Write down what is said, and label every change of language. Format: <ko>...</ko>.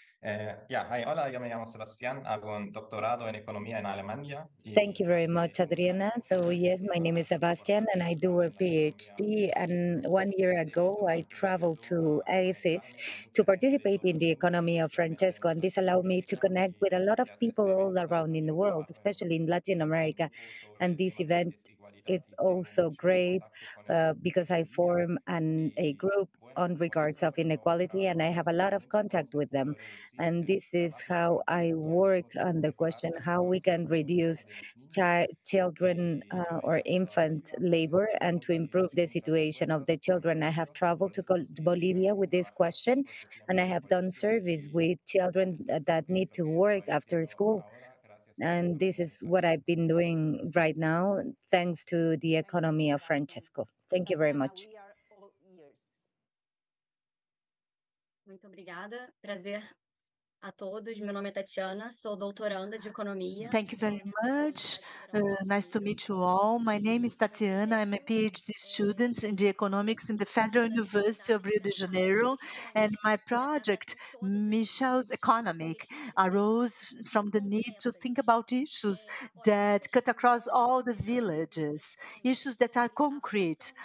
<es>Hola, yo me llamo Sebastián, hago un doctorado en economía en Alemania.</es> <en>Thank you very much, Adriana. So yes, my name is Sebastián and I do a PhD. And 1 year ago, I traveled to ACES to participate in the economy of Francesco. And this allowed me to connect with a lot of people all around in the world, especially in Latin America. And this event is also great because I form a group on regards of inequality, and I have a lot of contact with them. And this is how I work on the question, how we can reduce children or infant labor and to improve the situation of the children. I have traveled to Bolivia with this question, and I have done surveys with children that need to work after school. And this is what I've been doing right now, thanks to the economy of Francesco. Thank you very much. We are all</en> <pt>Muito obrigada. Prazer a todos. Meu nome é Tatiana, sou doutoranda de economia.</pt> <en>Thank you very much. Nice to meet you all. My name is Tatiana. I'm a PhD student in the economics in the Federal University of Rio de Janeiro. And my project, Michel's Economic, arose from the need to think about issues that cut across all the villages, issues that are concrete.</en>